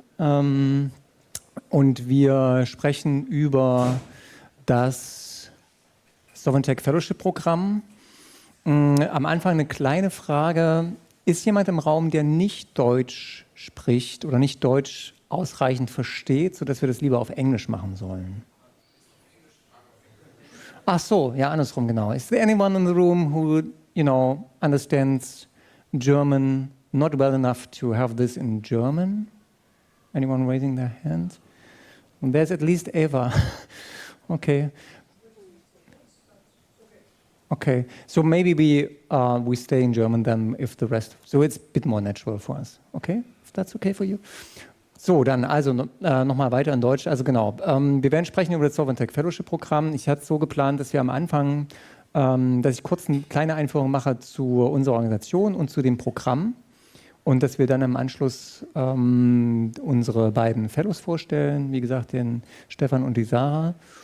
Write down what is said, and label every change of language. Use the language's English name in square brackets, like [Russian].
[German] Und wir sprechen über das Sovereign Tech Fellowship Programm. Am Anfang eine kleine Frage. Ist jemand im Raum, der nicht Deutsch spricht oder nicht Deutsch ausreichend versteht, sodass wir das lieber auf Englisch machen sollen? Ach so, ja, andersrum, genau. [English] Is there anyone in the room who, you know, understands German not well enough to have this in German? Anyone raising their hand? And there's at least Eva. Okay. Okay, so maybe we stay in German then if the rest, so it's a bit more natural for us. Okay, if that's okay for you. So, [German] dann also nochmal weiter in Deutsch. Also genau, wir werden sprechen über das Sovereign Tech Fellowship Programm. Ich hatte so geplant, dass wir am Anfang, dass ich kurz eine kleine Einführung mache zu unserer Organisation und zu dem Programm und dass wir dann im Anschluss unsere beiden Fellows vorstellen, wie gesagt, den Stefan und die Sarah.